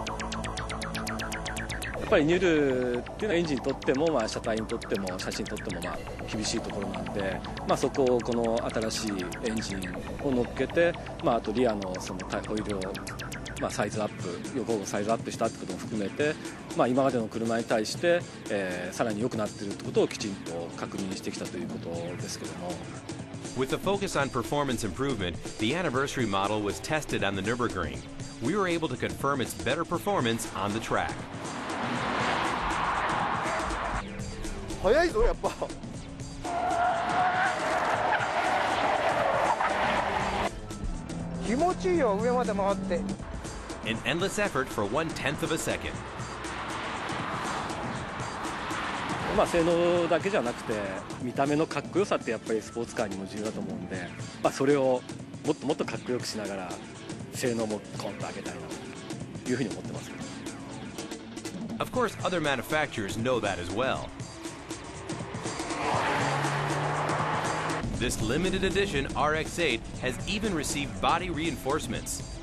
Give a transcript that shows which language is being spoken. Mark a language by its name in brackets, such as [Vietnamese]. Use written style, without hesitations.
[Japanese] やっぱりニュルっていうのはエンジンにとっても、まあ、車体にとっても車身にとっても、まあ、厳しいところなんで、まあ、そこをこの新しいエンジンを乗っけて、まあ、あとリア そのホイールを、まあ、サイズアップ横をサイズアップしたってことも含めて、まあ、今までの車に対して、さらに良くなっているってことをきちんと確認してきたということですけども。 [English] With a focus on performance improvement, the anniversary model was tested on the Nürburgring. We were able to confirm its better performance on the track. [Japanese] 速いぞやっぱ。気持ちいいよ上まで回って。 [English] An endless effort for one tenth of a second。 [Japanese] まあ性能だけじゃなくて見た目のかっこよさってやっぱりスポーツカーにも重要だと思うんで、まあそれをもっともっとかっこよくしながら性能もコンと上げたいなというふうに思ってます。 [English] Of course, other manufacturers know that as well. This limited edition RX-8 has even received body reinforcements.